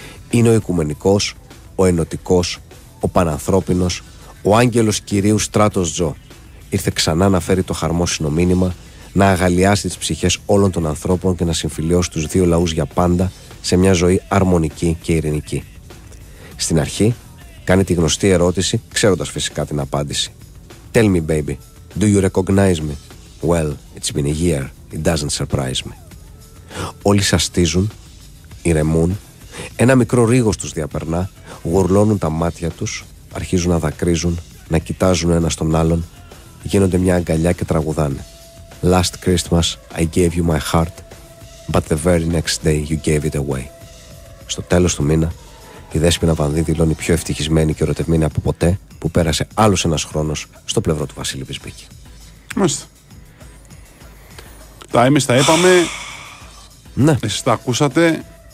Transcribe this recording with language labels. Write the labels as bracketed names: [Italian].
[Greek] Είναι ο Οικουμενικός, ο Ενωτικός, ο Πανανθρώπινος, ο Άγγελος Κυρίου Στράτος Τζο. Ήρθε ξανά να φέρει το χαρμόσυνο μήνυμα, να αγαλιάσει τις ψυχές όλων των ανθρώπων και να συμφιλειώσει τους δύο λαούς για πάντα σε μια ζωή αρμονική και ειρηνική. Στην αρχή, κάνει τη γνωστή ερώτηση, ξέροντας φυσικά την απάντηση. [English] Tell me, baby, do you recognize me? Well, it's been a year, it doesn't surprise me. [Greek] Όλοι σαστίζουν, ηρεμούν, ένα μικρό ρίγος τους διαπερνά, γουρλώνουν τα μάτια τους, αρχίζουν να δακρύζουν, να κοιτάζουν ένα τον άλλον, γίνονται μια αγκαλιά και τραγουδάνε. [English] Last Christmas I gave you my heart, but the very next day you gave it away. [Greek] Στο τέλος του μήνα, η Δέσποινα Βανδύ δηλώνει πιο ευτυχισμένη και ερωτευμένη από ποτέ, που πέρασε άλλος ένας χρόνος στο πλευρό του Βασίλη Μπισμπίκη. Μάλιστα. Τα εμείς τα είπαμε. Ναι. Εσείς τα ακούσατε.